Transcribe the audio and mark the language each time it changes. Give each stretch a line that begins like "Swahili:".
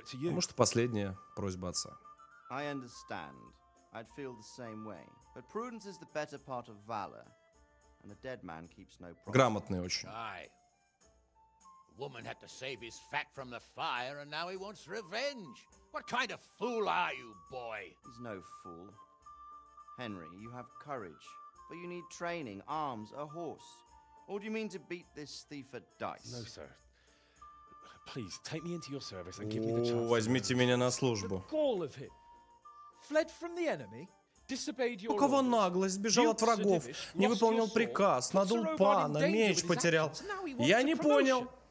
Russian: Может, последняя просьба отца.
English: I understand. I'd feel the same way. But prudence is the better part of valor. And a dead man keeps no promise.
Russian: Грамотный очень.
English: Aye. A woman had to save his fat from the fire and now he wants revenge. What kind of fool are you, boy? He's no fool. Henry, you have courage. But you need training, arms, a horse. Or do you mean to beat this thief at dice? No, sir. Please, take me into your service and give me the chance.
Russian: Возьмите меня на службу.
English: All of it. Fled from the enemy, disobeyed your orders.
Russian: У кого наглость, бежал от врагов, не выполнил приказ, надул пана, меч потерял. Я не понял.